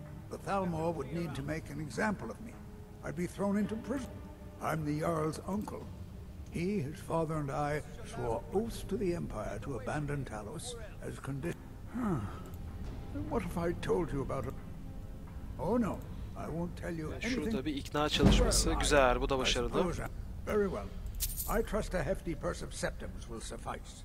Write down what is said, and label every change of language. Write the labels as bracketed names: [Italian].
[English] The Thalmor would need to make an example of me. I'd be thrown into prison. I'm the Jarl's uncle. He, his father, and I swore oaths to the Empire to abandon Talos as condition. Huh. What if I told you about it? Oh no, I won't tell you anything. [Turkish] Şurada bir ikna çalışması güzel, bu da başarılı. [English] Very well. I trust a hefty purse of septims will suffice.